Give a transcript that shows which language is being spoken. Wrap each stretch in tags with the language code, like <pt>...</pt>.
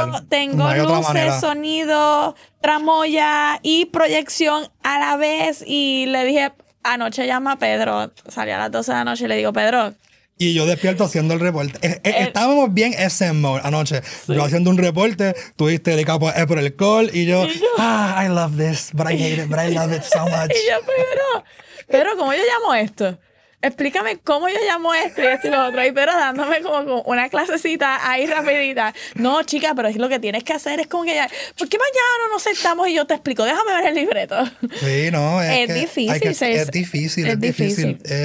<es>Tengo no luces, sonido, tramoya y proyección a la vez. Y le dije, anoche llama a Pedro. Salí a las 12 de la noche y le digo, Pedro. Y yo despierto haciendo el reporte. Estábamos bien ese mode anoche. Sí. Yo haciendo un reporte, tú diste el capo por el call. Y yo,</es> <en>I love this, but I hate it, but I love it so much.</en> <es>Y yo, Pedro... Pero, ¿cómo yo llamo esto? Explícame cómo yo llamo esto y esto y lo otro. Y pero dándome como una clasecita ahí rapidita. No, chica, pero es lo que tienes que hacer es como que ya... ¿Por qué mañana no nos sentamos y yo te explico? Déjame ver el libreto. Sí, no. Es difícil.</es>